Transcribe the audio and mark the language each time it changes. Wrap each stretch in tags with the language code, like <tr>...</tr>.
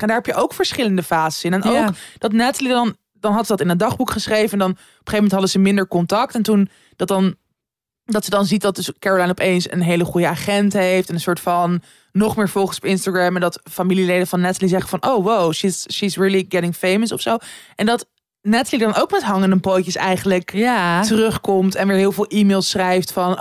<nl>En daar heb je ook verschillende fases in. En ook dat Natalie dan had ze dat in een dagboek geschreven. En dan op een gegeven moment hadden ze minder contact. En toen dat ze dan ziet dat dus Caroline opeens een hele goede agent heeft. En een soort van nog meer volgers op Instagram. En dat familieleden van Natalie zeggen van...</nl> <en>Oh, wow, she's really getting famous</en> <nl>of zo. En dat Natalie dan ook met hangende pootjes eigenlijk terugkomt. En weer heel veel e-mails schrijft van...</nl>